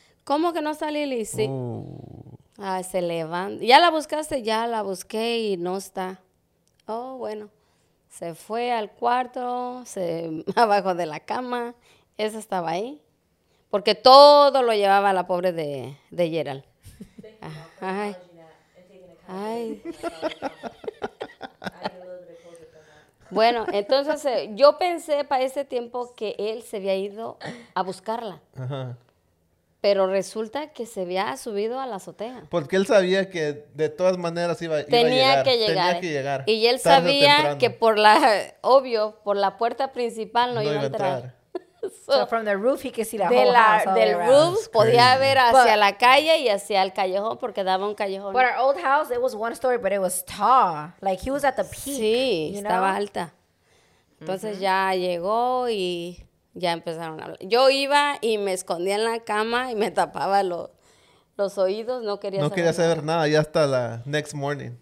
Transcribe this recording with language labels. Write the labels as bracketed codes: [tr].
[es] ¿Cómo que no está Lily? Sí. Ah, se levanta. ¿Ya la buscaste? Ya la busqué y no está. Oh, bueno. Se fue al cuarto, se abajo de la cama. Esa estaba ahí. Porque todo lo llevaba la pobre de Gerald. [en] Thank you, Mom, for acknowledging that and taking account. [es] Ay. Bueno, entonces yo pensé para ese tiempo que él se había ido a buscarla. Ajá. Pero resulta que se había subido a la azotea. Porque él sabía que de todas maneras iba a llegar. Tenía que llegar. Tenía que llegar. Y él sabía que por la, obvio, por la puerta principal no, iba a entrar. [en] So from the roof, he could see the whole house. [es] Del roof, podía ver hacia la calle y hacia el callejón, porque daba un callejón. [en] But our old house, it was one story, but it was tall. Like, he was at the peak. [es] Sí, estaba alta. Entonces ya llegó y ya empezaron a hablar. Yo iba y me escondía en la cama y me tapaba los oídos. No quería saber. No quería saber nada, ya hasta la [en] next morning.